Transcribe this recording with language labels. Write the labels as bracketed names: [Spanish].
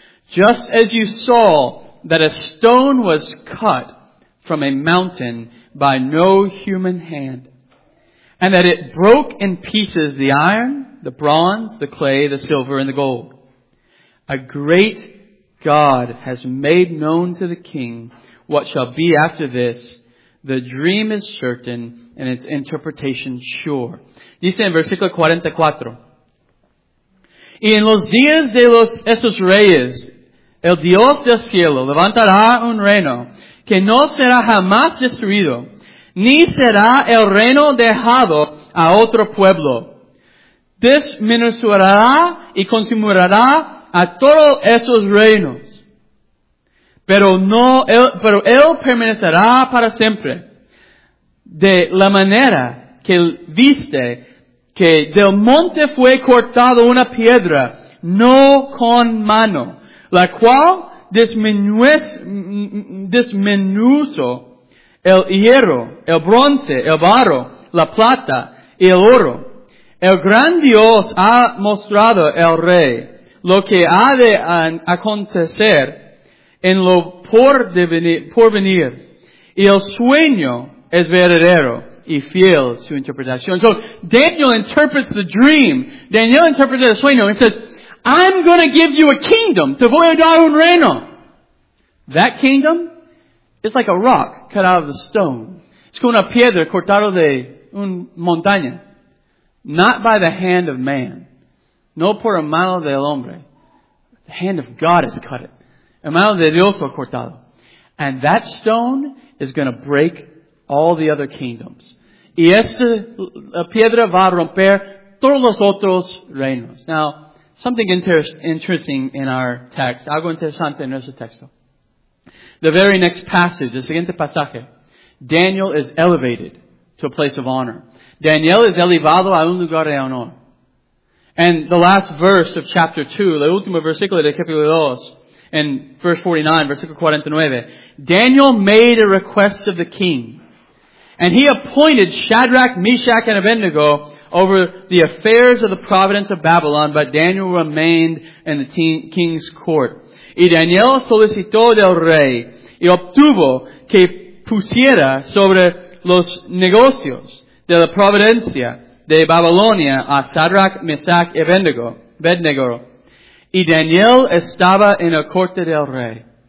[English] Just as you saw that a stone was cut from a mountain by no human hand, and that it broke in pieces the iron, the bronze, the clay, the silver, and the gold. A great God has made known to the king what shall be after this. The dream is certain, and its interpretation sure. [Spanish] Dice en versículo 44. Y en los días de esos reyes, el Dios del cielo levantará un reino que no será jamás destruido, ni será el reino dejado a otro pueblo. Disminuirá y consumirá a todos esos reinos. Pero él permanecerá para siempre. De la manera que viste que del monte fue cortado una piedra, no con mano, la cual disminuyó el hierro, el bronce, el barro, la plata y el oro. El gran Dios ha mostrado al rey lo que ha de acontecer en lo por venir. Y el sueño es verdadero y fiel su interpretación. [English] So Daniel interprets the dream. Daniel interprets [Spanish] el sueño [English] and says, I'm going to give you a kingdom. [Spanish] Te voy a dar un reino. [English] That kingdom is like a rock cut out of the stone. [Spanish] Es como una piedra cortada de una montaña. [English] Not by the hand of man. [Spanish] No por la mano del hombre. [English] The hand of God has cut it. [Spanish] La mano de Dios ha cortado. [English] And that stone is going to break all the other kingdoms. [Spanish] Y esta piedra va a romper todos los otros reinos. [English] Now, something interesting in our text. [Spanish] Algo interesante en nuestro texto. [English] The very next passage, the [Spanish] siguiente pasaje, [English] Daniel is elevated to a place of honor. [Spanish] Daniel es elevado a un lugar de honor. [English] And the last verse of chapter 2, [Spanish] el último versículo de capítulo 2, [English] in verse 49, [Spanish] versículo 49, [English] Daniel made a request of the king. And he appointed Shadrach, Meshach, and Abednego over the affairs of the province of Babylon, but Daniel remained in the king's court. [Spanish] Y Daniel solicitó del rey y obtuvo que pusiera sobre los negocios de la providencia de Babilonia a Shadrach, Meshach, y Abednego. Y Daniel estaba en la corte del rey.